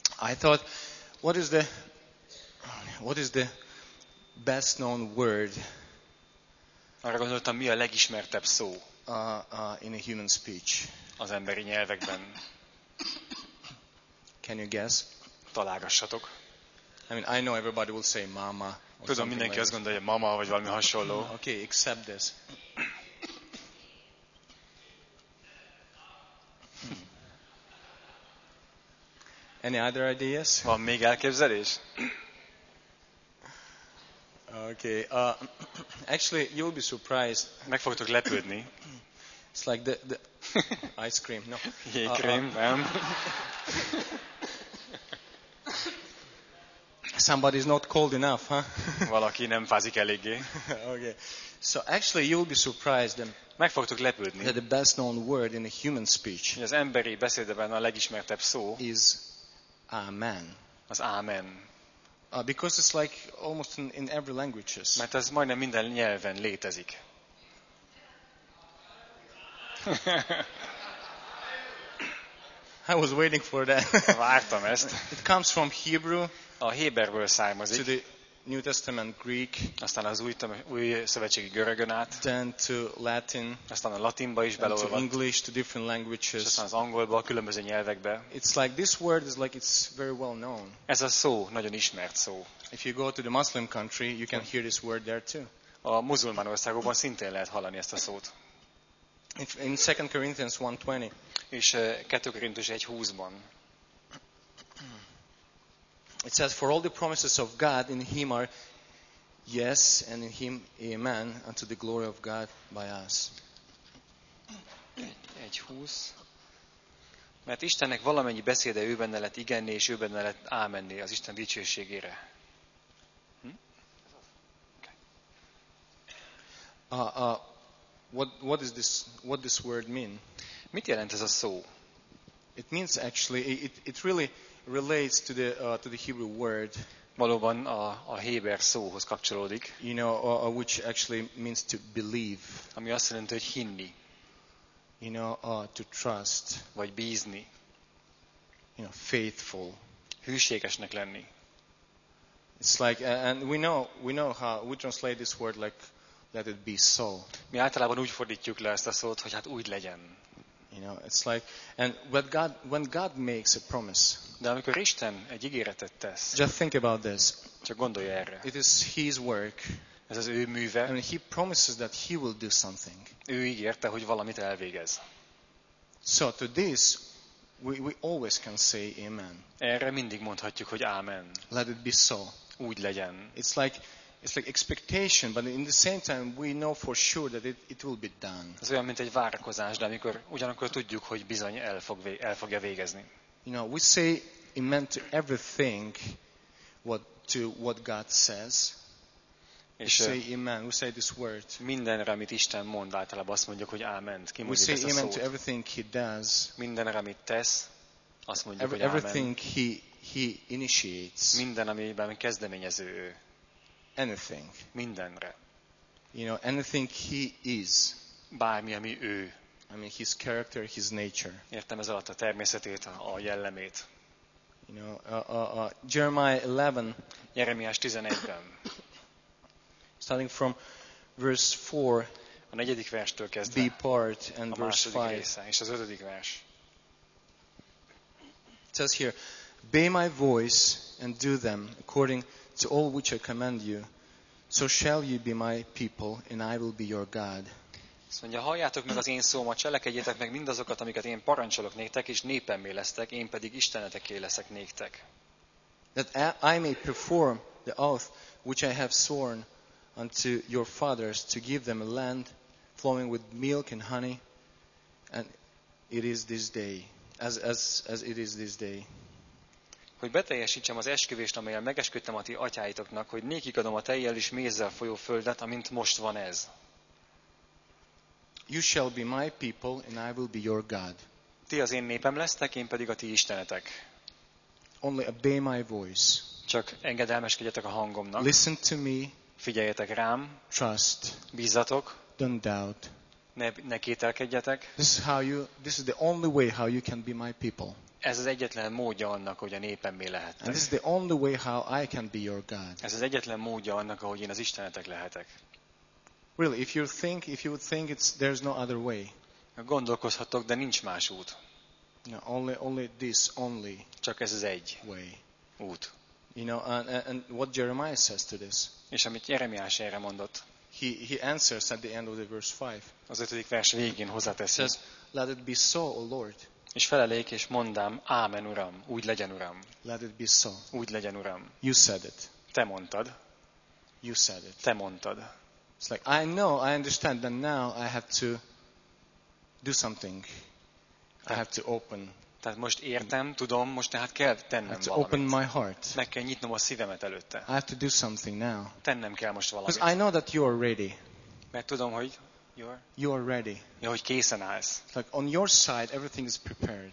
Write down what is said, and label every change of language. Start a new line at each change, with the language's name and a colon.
English: I thought, what is the best known word?
Hungarian: Arra gondoltam, mi a legismertebb szó?
English: In a human speech.
Hungarian: Az emberi nyelvekben.
English: Can you guess?
Hungarian: Találgassatok.
English: I mean, I know everybody will say mama.
Hungarian: Tudom, mindenki azt gondolja, mama, vagy valami hasonló.
English: Okay, except this. Any other ideas?
Hungarian: Van még elképzelés?
English: Okay. Actually, you'll be surprised.
Hungarian: Meg fogtok lepődni.
English: It's like the ice cream, no?
Hungarian: Jégkrém, nem?
English: Somebody's not cold enough, huh?
Hungarian: Valaki nem fázik eléggé.
English: Okay. So actually, you'll be surprised.
Hungarian: Meg fogtok lepődni.
English: That the best known word in a human speech.
Hungarian: Az emberi beszédben a legismertebb szó.
English: Is amen.
Hungarian: Az amen.
English: Because it's like almost in every languages.
Hungarian: Mert ez majdnem minden nyelven létezik.
English: I was waiting for that.
Hungarian: Vártam ezt.
English: It comes from Hebrew.
Hungarian: A héberből származik.
English: To the New Testament Greek.
Hungarian: Aztán az új szövetségi görögön át.
English: Then to Latin.
Hungarian: Aztán a latinba is beleolvadt.
English: To English, to different languages.
Hungarian: Aztán az angolba, a különböző nyelvekbe.
English: It's like this word is like it's very well known.
Hungarian: Ez a szó nagyon ismert szó.
English: If you go to the Muslim country, you can hear this word there too.
Hungarian: A muzulmán országokban szintén lehet hallani ezt a szót.
English: In 2 Corinthians 1:20.
Hungarian: És 2 Korintus 1:20-ban.
English: It says, for all the promises of God in Him are yes, and in Him amen, unto the glory of God by us. 1:20.
Hungarian: Mert Istennek valamennyi beszéde ő benne lett igenné, és ő benne lett ámenné az Isten dicsőségére.
English: What does this word mean?
Hungarian: Mit jelent ez a szó?
English: It means actually, it really relates to the Hebrew word.
Hungarian: Valóban a héber szóhoz kapcsolódik.
English: You know, which actually means to believe.
Hungarian: Ami azt jelenti, hogy hinni.
English: You know, to trust.
Hungarian: Vagy bízni.
English: You know, faithful.
Hungarian: Hűségesnek lenni.
English: It's like, and we know how we translate this word like, let it be so.
Hungarian: Mi általában úgy fordítjuk le ezt a szót, hogy hát úgy legyen.
English: You know, it's like, and when God makes a promise.
Hungarian: De amikor Isten egy ígéretet tesz.
English: Just think about this.
Hungarian: Csak gondolj erre.
English: It is His work.
Hungarian: Ez az ő műve.
English: And He promises that He will do something.
Hungarian: Ő ígérte, hogy valamit elvégez.
English: So to this, we always can say amen.
Hungarian: Erre mindig mondhatjuk, hogy amen.
English: Let it be so.
Hungarian: Úgy legyen.
English: It's like expectation, but in the same time we know for sure that it will be done.
Hungarian: Ez olyan, mint egy várakozás, de amikor ugyanakkor tudjuk, hogy bizony el fogja végezni.
English: You know, we say amen to everything to what God says.
Hungarian: És
English: we say amen. We say this word.
Hungarian: Mindenre, amit Isten mond, általában azt mondjuk, hogy ámen. Ki mondja ezt a szót?
English: We say amen to everything He does.
Hungarian: Mindenre, amit tesz, azt mondjuk, hogy ámen.
English: Everything He initiates.
Hungarian: Minden, amiben kezdeményező ő.
English: Anything.
Hungarian: Mindenre.
English: You know, anything He is.
Hungarian: Bármi, ami ő.
English: I mean, His character, His nature.
Hungarian: Értem ez alatt a természetét, a jellemét.
English: You know, Jeremiah 11.
Hungarian: Jeremiás 11-ben.
English: Starting from verse 4.
Hungarian: A negyedik verstől kezdve.
English: B part and verse 5.
Hungarian: A második része, és az ötödik vers.
English: It says here, obey my voice and do them according to all which I command you, so shall you be my people, and I will be your God.
Hungarian: Azt mondja, halljátok meg az én szómat, cselekedjétek meg mindazokat, amiket én parancsolok néktek, és népemmé lesztek, én pedig Isteneteké leszek néktek.
English: That I may perform the oath which I have sworn unto your fathers to give them a land flowing with milk and honey, and it is this day, as it is this day.
Hungarian: Hogy beteljesítsem az esküvést, amelyel megesküdtem a ti atyáitoknak, hogy nékik adom a tejjel és mézzel folyó földet, amint most van ez.
English: You shall be my people and I will be your God.
Hungarian: Ti az én népem lesztek, én pedig a ti istenetek.
English: Only obey my voice.
Hungarian: Csak engedelmeskedjetek a hangomnak.
English: Listen to me.
Hungarian: Figyeljetek rám.
English: Trust.
Hungarian: Bízzatok.
English: Don't doubt.
Hungarian: Ne kételkedjetek.
English: This is the only way how you can be my people.
Hungarian: Ez az egyetlen módja annak, hogy a népemmé lehettek.
English: And this is the only way how I can be your God.
Hungarian: Ez az egyetlen módja annak, ahogy én az istenetek lehetek.
English: Really, if you would think it's there's no other way.
Hungarian: Gondolkozhatok, de nincs más út.
English: No, only this only.
Hungarian: Csak ez az egy
English: way.
Hungarian: Út.
English: You know, and what Jeremiah says to this.
Hungarian: És amit Jeremiás erre mondott.
English: He answers at the end of the verse 5.
Hungarian: Az ötödik vers végén hozzáteszi.
English: Says, let it be so, O Lord.
Hungarian: És felelék és mondám, ámen, Uram, úgy legyen, Uram.
English: Let it be so.
Hungarian: Úgy legyen, Uram.
English: You said it.
Hungarian: Te mondtad.
English: You said it.
Hungarian: Te mondtad.
English: It's like I know, I understand that now I have to do something. I have to open.
Hungarian: Tehát most értem, tudom, most tehát kell tennem valamit.
English: Open my heart.
Hungarian: Meg kell nyitnom a szívemet előtte.
English: I have to do something now.
Hungarian: Tennem kell most valamit.
English: Because I know that you are ready.
Hungarian: Mert tudom, hogy
English: you are ready.
Hungarian: Ja, hogy készen állsz.
English: Like on your side everything is prepared.